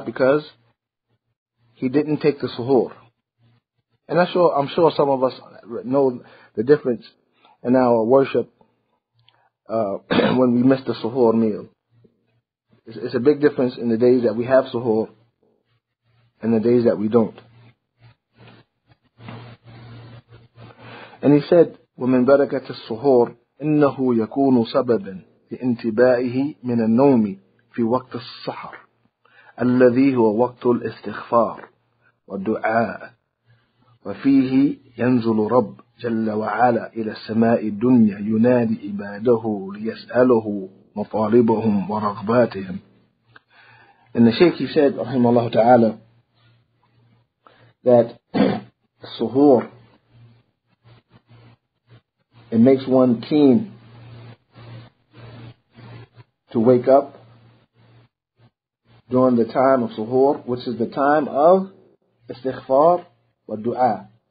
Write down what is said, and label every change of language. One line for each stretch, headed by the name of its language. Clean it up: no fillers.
English: Because he didn't take the suhoor. And I'm sure some of us know the difference in our worship when we miss the suhoor meal. It's a big difference in the days that we have suhoor and the days that we don't. And he said,
Arabic: وَمِنْ بَرَكَةِ السُّهُورِ إِنَّهُ يَكُونُ سَبَبًا لِإِنْتِبَائِهِ مِنَ النَّوْمِ فِي وَقْتِ السَّحَرِ الَّذِي هُوَ وَقْتُ الْإِسْتِغْفَارِ وَالدُّعَاءِ وفيه ينزل رب جل وعلا إلى السماء الدنيا ينادي عباده ليسأله مطالبهم ورغباتهم.
English: And the Shaykh, he said,
Arabic: رحمه الله تعالى,
English: that السهور, it makes one keen to wake up during the time of سهور, which is the time of
Arabic: استغفار والدعاء.